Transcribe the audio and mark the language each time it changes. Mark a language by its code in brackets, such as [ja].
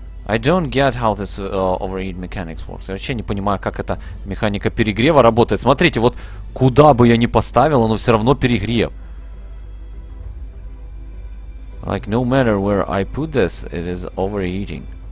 [en] I don't get how this overheat mechanics works. [ru] Я вообще не понимаю, как эта механика перегрева работает. Смотрите, вот куда бы я ни поставил, оно все равно перегрев. [en] Like, no matter where I put this, it is overheating.